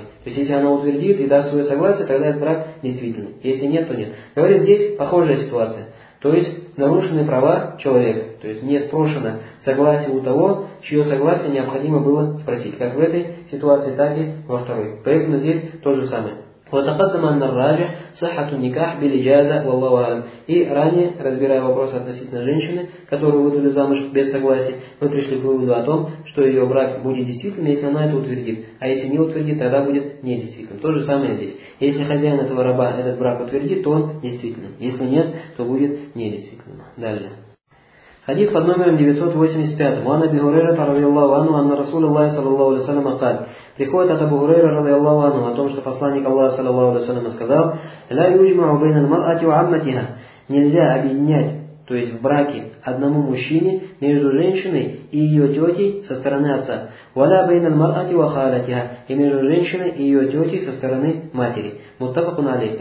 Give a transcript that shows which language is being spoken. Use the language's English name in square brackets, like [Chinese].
[Russian] То есть, если она утвердит и даст свое согласие, тогда этот брак действительный. Если нет, то нет. Говорит, здесь похожая ситуация. То есть, нарушены права человека. То есть, не спрошено согласие у того, чье согласие необходимо было спросить. Как в этой ситуации, так и во второй. Поэтому здесь то же самое. [Arabic] وتقدم أن الراجح صحة النكاح بالإجازة والله أعلم. [Russian] И ранее, разбирая вопрос относительно женщины, которую выдали замуж без согласия, мы пришли к выводу о том, что ее брак будет действительным, если она это утвердит. А если не утвердит, тогда будет недействительным. То же самое здесь. Если хозяин этого раба этот брак утвердит, то он действительным. Если нет, то будет недействительным. Далее. Хадис под номером 985. [Arabic] وعن أبي هريرة رضي الله عنه أن رسول الله صلى الله عليه وسلم قال. [Russian] Приходит от Абу Хурейра رضي الله عنه о том, что посланник Аллаха صلى الله عليه وسلم сказал: [Arabic] «Ла юджмау байна аль-мар'ати ва амматиха». [Russian] Нельзя объединять, то есть в браке одному мужчине между женщиной и ее тетей со стороны отца. [Arabic] «Ва ля байна аль-мар'ати ва халатиха». [Russian] И между женщиной и ее тетей со стороны матери. Муттафакун алейх.